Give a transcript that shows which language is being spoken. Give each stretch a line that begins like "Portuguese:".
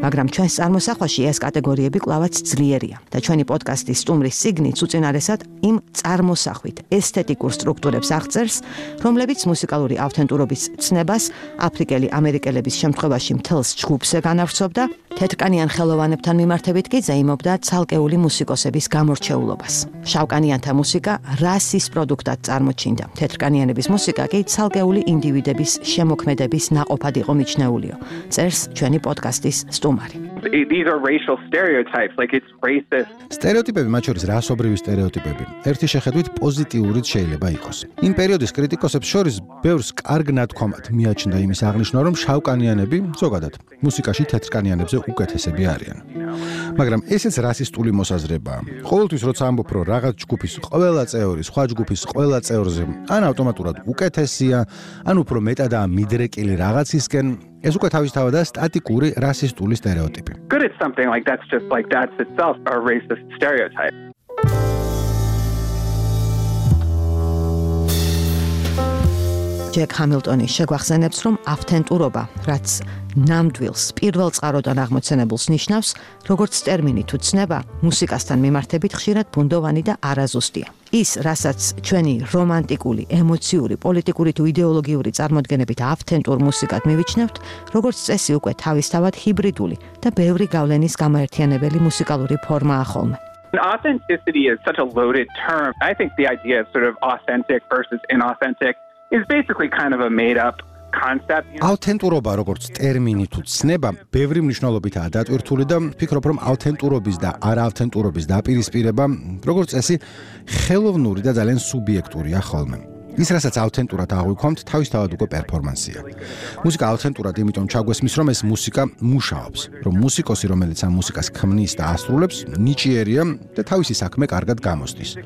Georgian: მაგრამ ჩვენს წარმოსახვაში ეს კატეგორიები კვლავაც ძლიერია და ჩვენი პოდკასტის სტუმრის სიგნით უწინარესად იმ წარმოსახვით ესთეტიკურ სტრუქტურებს აღწერს, რომლებიც მუსიკალური ავთენტურობის ცნებას აფრიკელი ამერიკელების შემთხვევაში მთელს ჯგუფს განავრცობდა, თეთრკანიან ხელოვანებთან მიმართებით კი ზეიმობდა ცალკეული მუსიკოსების გამორჩეულობას. შავკანიანთა მუსიკა რასის პროდუქტად წარმოჩინდა, თეთრკანიანების მუსიკა კი ცალკეული ინდივიდების შემოქმედების ნაყოფად იყო მიჩნეულიო, წერს ჩვენი პოდკასტის სტუმარი.
English: These are racial stereotypes, like it's racist.
Georgian: Stereotypები, მათ შორის რასობრივი სტერეოტიპები, ერთი შეხედვით პოზიტიურიც შეიძლება იყოს. იმ პერიოდის კრიტიკოსებს შორის ბევრს კარგ ნათქვამად მიაჩნდა იმის აღნიშვნა, რომ შავკანიანები, ზოგადად, მუსიკაში თეთრკანიანებზე უკეთესები არიან. მაგრამ ესეც რასისტული მოსაზრებაა. ყოველთვის როცა ამბობ, რომ რაღაც ჯგუფის ყველა წევრი სხვა ჯგუფის ყველა წევრზე ან ავტომატურად უკეთესია, ან უფრო მეტადაა მიდრეკილი რაღაცისკენ, ეს უკვე თავისთავადაა სტატიკური რასისტული სტერეოტიპი.
English: Good it's something like that's just like that's itself a racist stereotype.
Georgian: ჯეკ ჰამილტონის შეგვახსენებს, რომ ავთენტურობა, რაც ნამდვილს, პირველ წყაროდან აღმოცენებულს ნიშნავს, როგორც ტერმინი თუ ცნება, მუსიკასთან მიმართებით ხშირად ბუნდოვანი და არაზუსტია. ის, რასაც ჩვენი რომანტიკული, ემოციური, პოლიტიკური თუ იდეოლოგიური წარმოდგენებით ავთენტურ მუსიკად მივიჩნევთ, როგორც წესი უკვე თავისთავად ჰიბრიდული და ბევრი გავლენის გამაერთიანებელი მუსიკალური ფორმაა ხოლმე.
English: Authenticity is such a loaded term. I think the idea of sort of authentic versus inauthentic is basically kind of a made up
Georgian: ავთენტურობა, როგორც ტერმინი თუ ცნება, ბევრი მნიშვნელობითაა დატვირთული და ვფიქრობ, რომ ავთენტურობის და არაავთენტურობის დაპირისპირება, როგორც წესი, ხელოვნური და ძალიან სუბიექტურია ხოლმე. ის, რასაც ავთენტურად აღვიქვამთ, თავისთავად უკვე პერფორმანსია. მუსიკა ავთენტურად იმიტომ ჩაგვესმის, რომ ეს მუსიკა მუშაობს, რომ მუსიკოსი, რომელიც ამ მუსიკას ქმნის და ასრულებს, ნიჭიერია და თავისი საქმე კარგად გამოსდის.